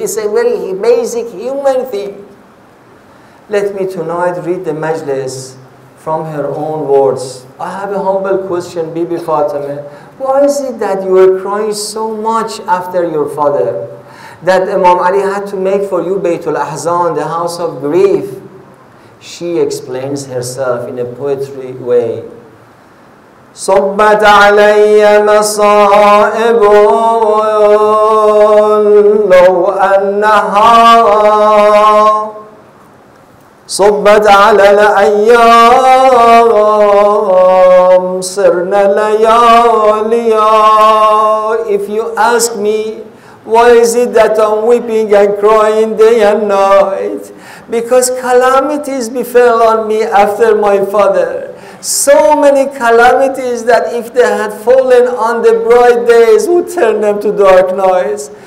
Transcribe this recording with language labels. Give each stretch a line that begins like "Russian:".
English: It's a very basic human thing. Let me tonight read the majlis from her own words. I have a humble question, Bibi Fatima. Why is it that you are crying so much after your father? That Imam Ali had to make for you Baytul Ahzan, the house of grief. She explains herself in a poetry way.
Arabic: صبت علي مصائب لو أنها صبت على الأيام صرنا لياليا.
English: If you ask me, why is it that I'm weeping and crying day and night? Because calamities befell on me after my father. So many calamities that if they had fallen on the bright days would turn them to dark nights.